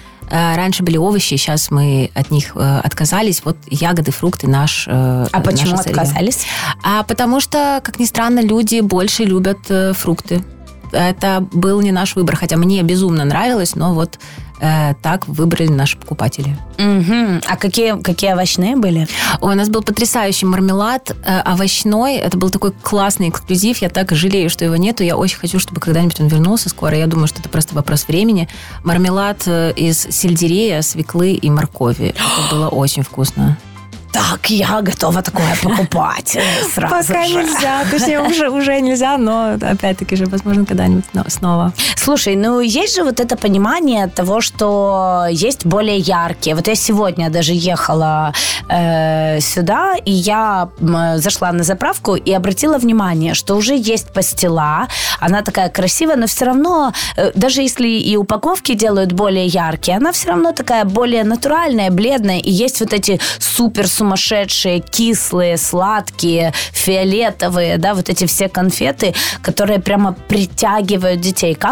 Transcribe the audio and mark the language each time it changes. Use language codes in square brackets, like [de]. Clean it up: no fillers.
[uk] Раніше були овочі, зараз ми від них відмовились. От ягоди, фрукти наш. А чому відмовились? А тому що, як не странно, люди більше люблять фрукти. Це був не наш вибір, хоча мені безумно нравилось, но вот так вибрали наші покупателі. Mm-hmm. А які овощні були? У нас був потрясающий мармелад овощной. Це був такий класний ексклюзив. Я так жалею, що його нету. Я дуже хочу, щоб коли-небудь він вернувся скоро. Я думаю, що це просто [ru] вопрос времени. [uk] Мармелад із сельдерея, свекли і моркові. Це було дуже вкусно. [ru] Так, я готова такое покупать сразу. Пока же. Нельзя, то есть уже нельзя, но опять-таки же, возможно, когда-нибудь снова. Слушай, ну есть же вот это понимание того, что есть более яркие. Вот я сегодня даже ехала сюда, и я зашла на заправку и обратила внимание, что уже есть пастила, она такая красивая, но все равно, даже если и упаковки делают более яркие, она все равно такая более натуральная, бледная, и есть вот эти супер сумасшедшие, кислые, сладкие, фиолетовые, да, вот эти все конфеты, которые прямо притягивают детей.